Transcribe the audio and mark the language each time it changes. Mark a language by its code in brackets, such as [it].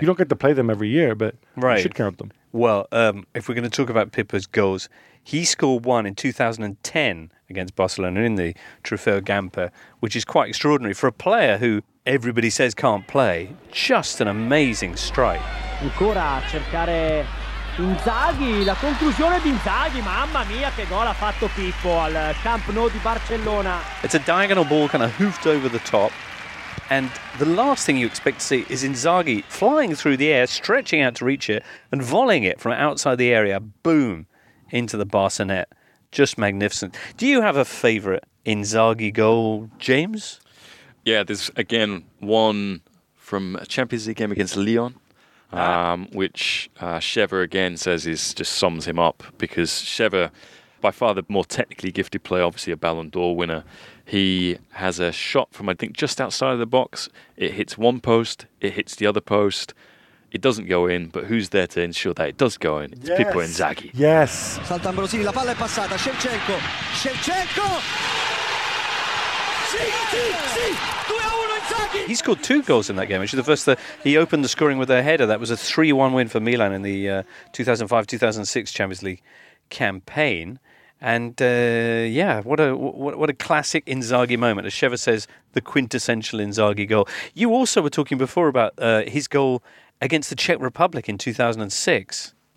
[en] You don't get to play them every year, but you should count them. Well, if we're going to talk about Pippa's goals, he scored one in 2010 against Barcelona in the Trofeo Gamper, which is quite extraordinary. For a player who everybody says can't play, just an amazing strike. [it] Ancora a cercare Inzaghi, la conclusione di Inzaghi, mamma mia che gol ha fatto Pippo al Camp Nou di Barcellona. [en] It's a diagonal ball kind of hoofed over the top, and the last thing you expect to see is Inzaghi flying through the air, stretching out to reach it, and volleying it from outside the area, boom, into the Barca net. Just magnificent. Do you have a favourite Inzaghi goal, James? Yeah, there's, again, one from a Champions League game against Lyon. Which Sheva again says is just sums him up, because Sheva, by far the more technically gifted player, obviously a Ballon d'Or winner, he has a shot from, I think, just outside of the box. It hits one post, it hits the other post, it doesn't go in, but who's there to ensure that it does go in? It's yes. Pippo Inzaghi. Yes. [it] Salta Ambrosini, la palla è passata, Shevchenko, Shevchenko! Sì, sì, sì! [en] He scored two goals in that game. Actually, the first, he opened the scoring with a header. That was a 3-1 win for Milan in the 2005-2006 Champions League campaign. And what a classic Inzaghi moment. As Sheva says, the quintessential Inzaghi goal. You also were talking before about his goal against the Czech Republic in 2006.